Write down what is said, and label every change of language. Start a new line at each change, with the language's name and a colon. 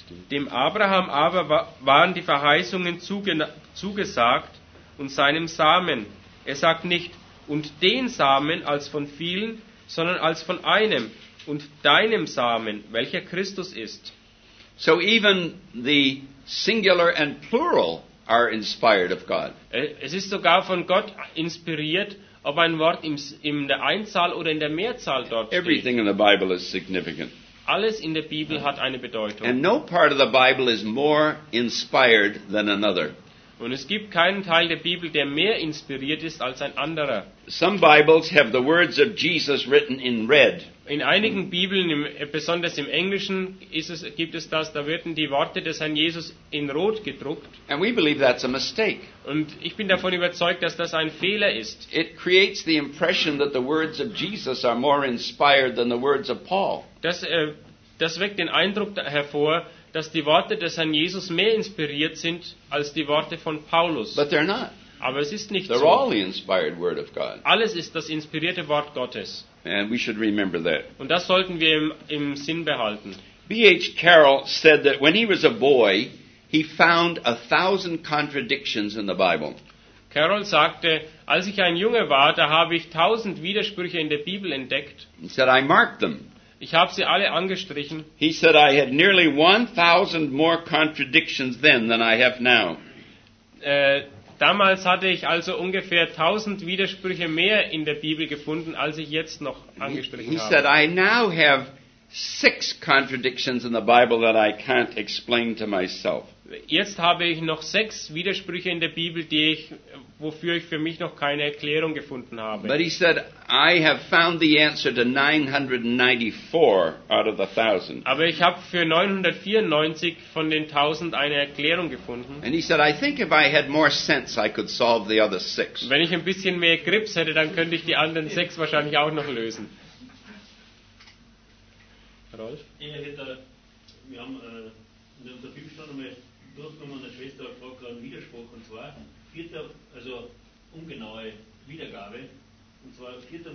German: Dem Abraham aber waren die Verheißungen zugesagt und seinem Samen. Er sagt nicht, und den Samen als von vielen, sondern als von einem, und deinem Samen, welcher Christus ist.
English: So even the singular and plural are inspired of God.
German: Es ist sogar von Gott inspiriert, ob ein Wort in der Einzahl oder in der Mehrzahl dort steht.
English: Everything in the Bible is significant.
German: Alles in der Bibel hat eine Bedeutung.
English: And no part of the Bible is more inspired than another.
German: Und es gibt keinen Teil der Bibel, der mehr inspiriert ist als ein anderer.
English: Some Bibles have the words of Jesus written in red.
German: In einigen Bibeln, besonders im Englischen, gibt es das, da werden die Worte des Herrn Jesus in rot gedruckt.
English: And we believe that's a mistake.
German: Und ich bin davon überzeugt, dass das ein Fehler ist.
English: It creates the impression that the words of Jesus are more inspired than the words of Paul.
German: Das weckt den Eindruck hervor, dass die Worte des Herrn Jesus mehr inspiriert sind als die Worte von Paulus.
English: But they're not.
German: Aber es ist nicht
English: they're
German: so.
English: All the inspired word of God.
German: Alles ist das inspirierte Wort Gottes.
English: And we should remember that.
German: Und das sollten wir im Sinn behalten.
English: B.H. Carroll said that when he was a boy, he found 1,000 contradictions in the Bible.
German: Carroll sagte, als ich ein Junge war, da habe ich 1,000 Widersprüche in der Bibel entdeckt.
English: He said, I marked them.
German: Ich habe sie alle angestrichen.
English: He said, I had nearly 1,000 more contradictions then than I have now.
German: Damals hatte ich also ungefähr 1,000 Widersprüche mehr in der Bibel gefunden, als ich jetzt noch angestrichen habe.
English: He said, I now have 6 contradictions in the Bible that I can't explain to myself.
German: Jetzt habe ich noch 6 Widersprüche in der Bibel, wofür ich für mich noch keine Erklärung gefunden habe.
English: But he said, I have found the answer to 994 out of the 1,000.
German: Aber ich habe für 994 von den 1,000 eine Erklärung gefunden.
English: And he said, I think if I had more sense, I could solve the other 6.
German: Wenn ich ein bisschen mehr Grips hätte, dann könnte ich die anderen 6 wahrscheinlich auch noch lösen. Rolf? Wir haben in der Bibelstunde bloß noch meiner Schwester gefragt, gerade einen Widerspruch, und zwar also ungenaue Wiedergabe, und zwar 4.